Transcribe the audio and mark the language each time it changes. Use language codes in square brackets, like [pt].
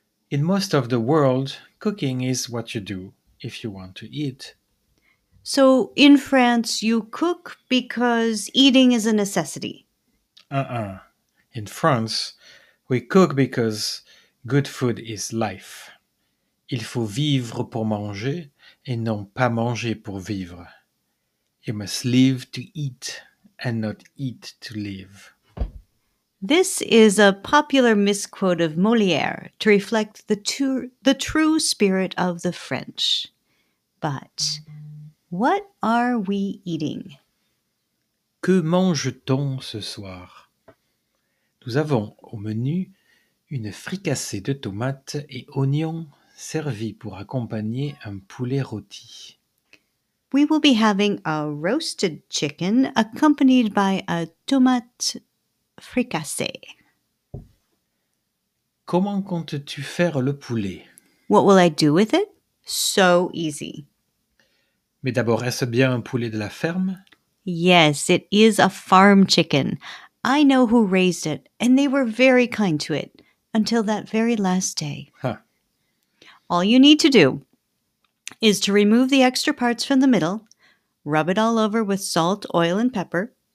[en] In most of the world, cooking is what you do if you want to eat. So in France, you cook because eating is a necessity? In France, we cook because good food is life. [fr] Il faut vivre pour manger et non pas manger pour vivre. [en] You must live to eat and not eat to live. This is a popular misquote of Molière to reflect the true spirit of the French. But what are we eating? [fr] Que mange-t-on ce soir? Nous avons au menu une fricassée de tomates et oignons servi pour accompagner un poulet rôti. [en] We will be having a roasted chicken accompanied by a tomate fricassée. [fr] Comment comptes-tu faire le poulet? [en] What will I do with it? So easy. [fr] Mais d'abord, est-ce bien un poulet de la ferme? [en] Yes, it is a farm chicken. I know who raised it, and they were very kind to it until that very last day. Huh. All you need to do is to remove the extra parts from the middle, rub it all over with salt, oil, and pepper.